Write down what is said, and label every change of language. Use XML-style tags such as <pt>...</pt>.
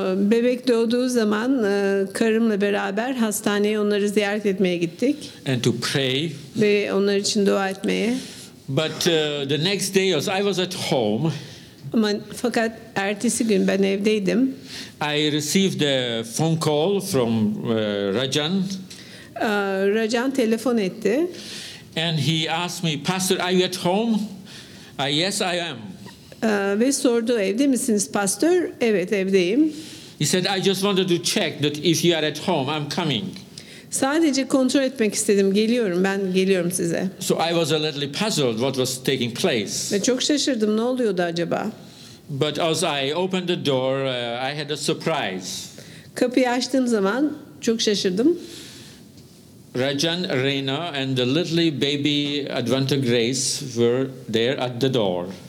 <tr>Bebek doğduğu zaman karımla beraber hastaneye onları ziyaret etmeye gittik.</tr> <en>And to pray.</en> <tr>Ve onlar için dua etmeye.</tr> <en>But the next day, as I was at home.</en> <tr>Ama fakat ertesi gün ben evdeydim.</tr> <en>I received a phone call from Rajan.</en> <tr>Rajan telefon etti.</tr> <en>And he asked me, "Pastor, are you at home?" Yes, I am.</en> <tr>Ve sordu, "Evde misiniz pastör?" "Evet, evdeyim."</tr> <en>He said, "I just wanted to check that if you are at home, I'm coming."</en> <tr>Sadece kontrol etmek istedim, geliyorum, ben geliyorum size.</tr> <en>So I was a little puzzled what was taking place.</en> <tr>Ve çok şaşırdım, ne oluyordu acaba?</tr> <en>But as I opened the door, I had a surprise.</en> <tr>Kapıyı açtığım zaman çok şaşırdım.</tr> <en>Rajan, Reina and the little baby Adventa Grace were there at the door.</en>